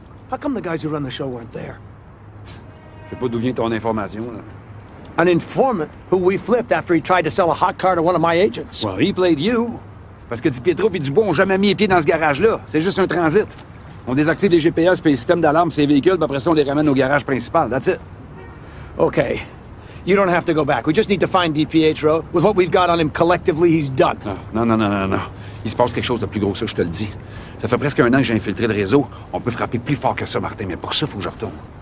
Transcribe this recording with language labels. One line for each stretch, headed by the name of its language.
English: How come the guys who run the show weren't there?
French: Je sais pas d'où vient ton information, là.
English: An informant who we flipped after he tried to sell a hot car to one of my agents. Well, he played you.
French: Parce que Di Pietro et Dubois n'ont jamais mis les pieds dans ce garage-là. C'est juste un transit. On désactive les GPS et les systèmes d'alarme sur les véhicules, puis après ça, on les ramène au garage principal.
English: That's it. Okay. You don't have to go back. We just need to find Di Pietro. With what we've got on him collectively, he's done.
French: Non. Il se passe quelque chose de plus gros que ça, je te le dis. Ça fait presque un an que j'ai infiltré le réseau. On peut frapper plus fort que ça, Martin, mais pour ça, faut que je retourne.